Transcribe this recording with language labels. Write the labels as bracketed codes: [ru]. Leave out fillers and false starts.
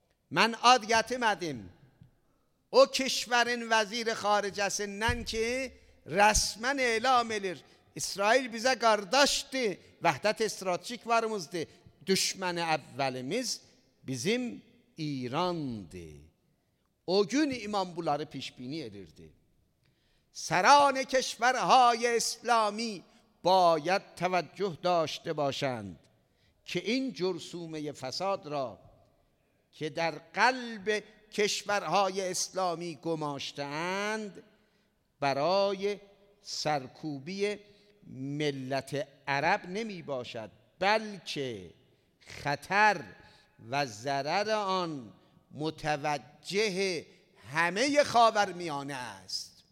[az] من آدیت مدیم او کشورین وزیر خارج است، نن که رسمن اعلام الیر اسرائیل بیزه گرداشتی وحدت استراتژیک ورموزدی، دشمن اولیمیز بیزیم ایراندی. او گون ایمان بولاری پیشبینی الیردی. [fa] سران کشورهای اسلامی باید توجه داشته باشند که این جرثومه فساد را که در قلب کشورهای اسلامی گماشتند برای سرکوبی ملت عرب نمی باشد، بلکه خطر و ضرر آن متوجه همه خاورمیانه است.